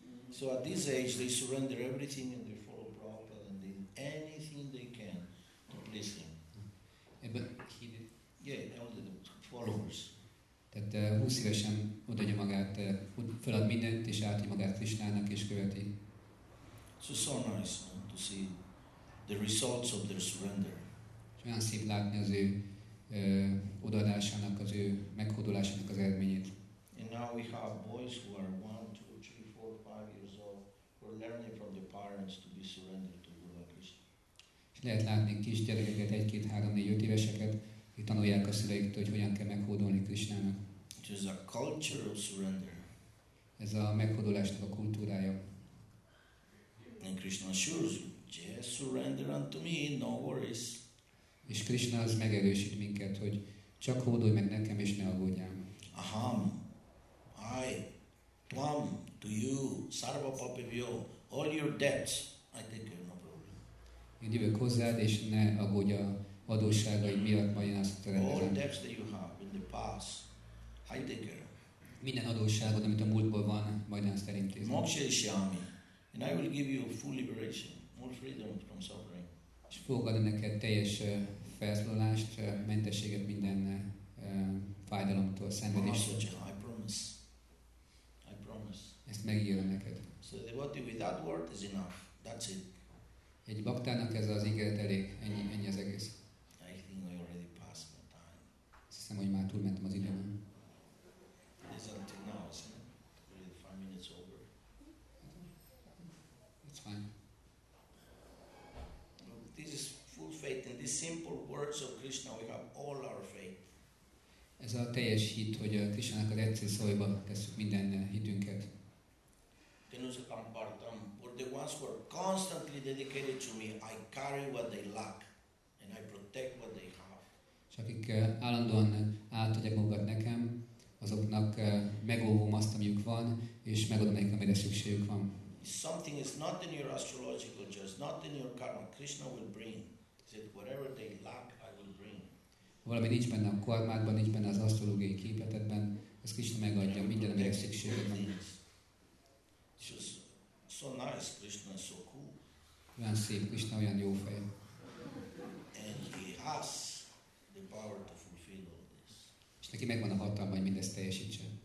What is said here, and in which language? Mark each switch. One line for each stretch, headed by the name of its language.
English: So at this age, they surrender everything and they follow Prabhupada and do anything they can to please him. Yeah, but he did. Yeah, all the followers.
Hungarian: Tehát 20 évesen odaadja magát, feladja mindent és átadja magát Krisnának és követi.
English: So so nice to see the results of their surrender.
Hungarian: Olyan szép látni az ő odaadásának, az ő meghódolásának az eredményét.
English: And now we have boys who are 1, 2, 3, 4, 5 years old who are learning from their parents to be surrendered to Guru Krishna.
Hungarian: És lehet látni kis gyerekeket, 1, 2, 3, 4, 5 éveseket, hogy tanulják a szüleiktől, hogy hogyan kell meghódolni Krisnának.
English: It is a culture of surrender.
Hungarian: Ez a meghódolásnak a kultúrája.
English: And Krishna assures you, just surrender unto me, no worries.
Hungarian: És Krishna az megerősít minket, hogy csak hódolj meg nekem, és ne aggódjál.
Sanskrit: Aham,
English: I,
Sanskrit: tvam,
English: to you,
Sanskrit: sarva papivyo,
English: all your debts, I take care, no problem.
Hungarian: Én jövök hozzád, és ne aggódj a adósságaid miatt, majd én azt terendezem.
English: All debts that you have in the past, I take care.
Hungarian: Minden adósságod, amit a múltból van, majd én azt elintézem.
Sanskrit: Moksha isyami,
English: and I will give you full liberation, full freedom from suffering.
Hungarian: És fogok adni neked teljes felszólalást, mentességet minden fájdalomtól, szenvedéstől.
English: I promise.
Hungarian: Ezt megígérem neked.
English: So the devotee with that word is enough. That's it.
Hungarian: Egy baktának ez az ígéret elég. Ennyi az egész.
English: I think I already passed my time.
Hungarian: Azt hiszem, hogy már túlmentem az időben.
English: It's until now, isn't it? 5 minutes over. It's fine. This is full faith. In these simple words of Krishna, we have all our faith.
Hungarian: Ez a teljes hit, hogy a Krishnának az egyszerű szavaiba tesszük minden hitünket.
Sanskrit: Tenusakam partam,
English: for the ones who are constantly dedicated to me, I carry what they lack, and I protect what they have.
Hungarian: És akik állandóan átadják magukat nekem, azoknak megóvom azt, amiuk van, és megadom nekik, amire szükségük van.
English: If something is not in your astrological chart, not in your karma, Krishna will bring. He said, whatever they lack, I will bring.
Hungarian: Valami nincs benne a karmádban, nincs benne az asztrológiai képletedben, ez Krishna megadja minden, amire szükséged van.
English: So nice, Krishna, so cool.
Hungarian: Olyan szép, Krishna olyan jó fej.
English: And he has the power to fulfill all this.
Hungarian: És neki megvan a hatalma, hogy mindezt teljesítse.